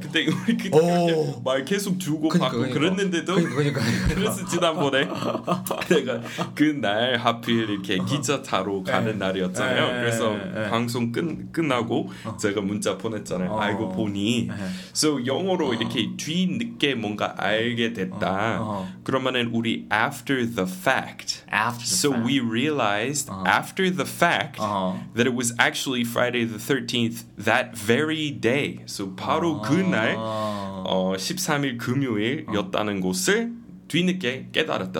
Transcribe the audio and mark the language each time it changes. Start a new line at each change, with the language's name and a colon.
Korean: 그때 우리 그때 말 계속 주고 받고 그랬는데도 그랬을 지난번에 내가 그날 하필 이렇게 기차 타러 가는 날이었잖아요. 그래서 방송 끝나고 제가 문자 보냈잖아요. 알고 보니 So 영어로 이렇게 뒤늦게 뭔가 알게 됐다. 그러면은 우리
English: after the fact. After the so fact. We realized after the fact that it was actually Friday the 13th that very day.
Korean: So 바로 그날 13일 금요일이었다는 것을 뒤늦게 깨달았다.